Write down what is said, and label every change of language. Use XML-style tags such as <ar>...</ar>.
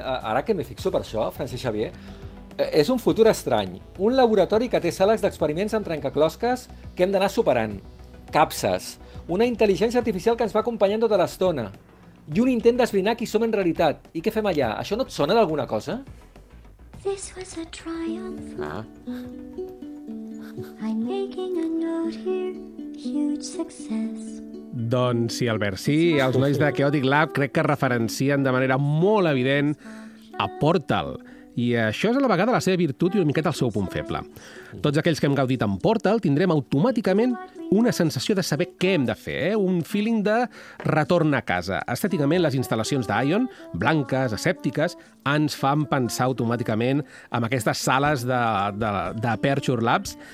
<ca>Ara que m'hi fixo per això, Francesc Xavier, és un futur estrany. Un laboratori que té sales d'experiments amb trencaclosques que hem d'anar superant. Capses. Una intel·ligència artificial que ens va acompanyant tota l'estona. I un intent d'esbrinar qui som en realitat. I què fem allà? Això no et sona d'alguna cosa?</ca> <en>This was a triumph. I'm making a note here, huge success.</en> <ca>Doncs sí, Albert, sí, els nois de Chaotic Lab crec que referencien de manera molt evident a Portal. I això és a la vegada la seva virtut i una miqueta el seu punt feble. Tots aquells que hem gaudit amb Portal tindrem automàticament una sensació de saber què hem de fer, eh? Un feeling de retorn a casa. Estèticament, les instal·lacions d'Ion, blanques, escèptiques, ens fan pensar automàticament en aquestes sales d'Aperture Labs.</ca>